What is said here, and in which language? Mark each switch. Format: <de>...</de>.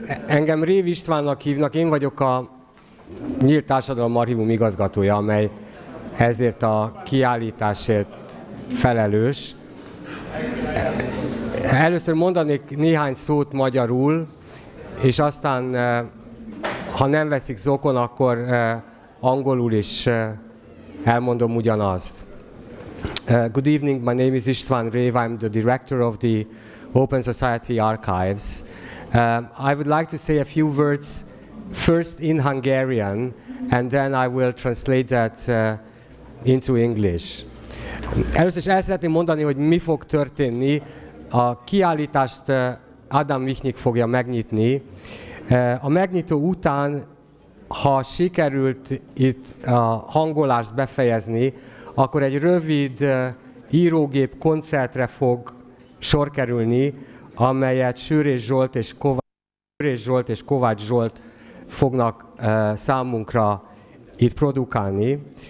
<hu>Engem Rév Istvánnak hívnak, én vagyok a Nyílt Társadalom Archívum igazgatója, amely ezért a kiállításért felelős. Először mondanék néhány szót magyarul, és aztán, ha nem veszik zokon, akkor angolul is elmondom ugyanazt.</hu> <en>Good evening, my name is István Rév, I'm the director of the Open Society Archives. I would like to say a few words first in Hungarian, and then I will translate that into English.</en> <hu>Először is el szeretném mondani, hogy mi fog történni. A kiállítást Adam Michnik fogja megnyitni. A megnyitó után, ha sikerült itt a hangolást befejezni, akkor egy rövid írógép koncertre fog sor kerülni, amelyet Sűrés Zsolt és Kovács Zsolt fognak számunkra itt produkálni.</hu>